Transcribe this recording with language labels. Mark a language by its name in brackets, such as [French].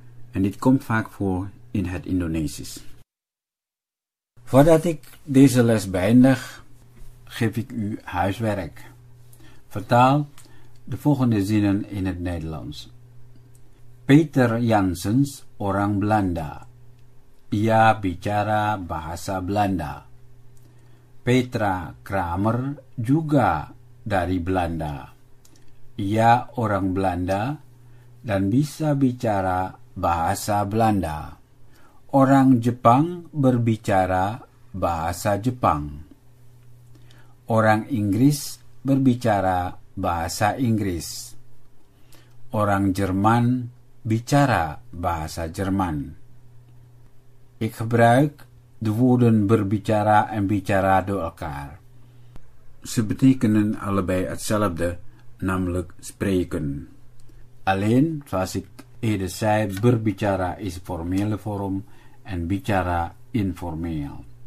[Dutch] En dit komt vaak voor in het Indonesisch. Voordat ik deze les beëindig, geef ik u huiswerk. Vertaal de volgende zinnen in het Nederlands. [Indonesian] Peter Janssens, orang Belanda. Ia bicara bahasa Belanda. Petra Kramer, juga dari Belanda. Ia orang Belanda dan bisa bicara bahasa Belanda. Orang Jepang berbicara bahasa Jepang. Orang Inggris berbicara bahasa Inggris. Orang Jerman bicara bahasa Jerman. [Dutch] Ik gebruik de woorden berbicara en bicara door elkaar. Ze betekenen allebei hetzelfde, namelijk spreken. Alleen, zoals ik eerder zei, berbicara is formele vorm en bicara informeel.